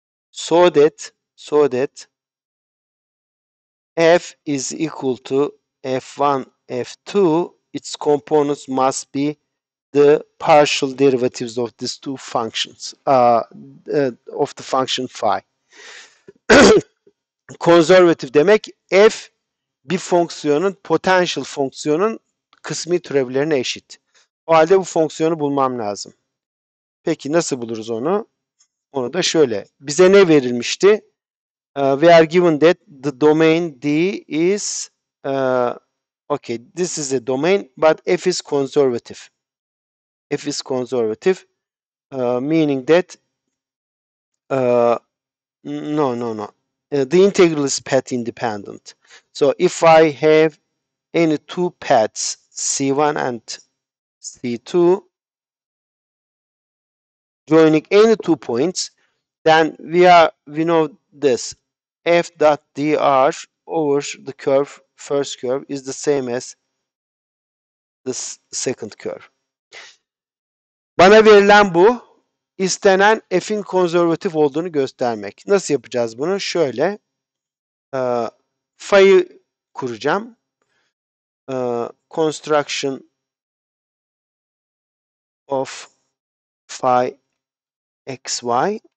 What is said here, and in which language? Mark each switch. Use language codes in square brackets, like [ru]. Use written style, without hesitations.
[en] so that f is equal to f1 f2, its components must be the partial derivatives of these two functions, of the function phi. [tr] Conservative demek f bir fonksiyonun, potential fonksiyonun kısmi türevlerine eşit. O halde bu fonksiyonu bulmam lazım. Peki nasıl buluruz onu? Onu da şöyle. Bize ne verilmişti? [en] We are given that the domain D is, okay, this is a domain, but f is conservative. F is conservative, meaning that, no. The integral is path independent. So if I have any two paths, C1 and C2, joining any two points, then we know this. F dot dr over the curve, first curve, is the same as the second curve. [tr] Bana verilen bu, istenen f'in konservatif olduğunu göstermek. Nasıl yapacağız bunu? Şöyle, phi'yi kuracağım. [en] Construction of phi xy.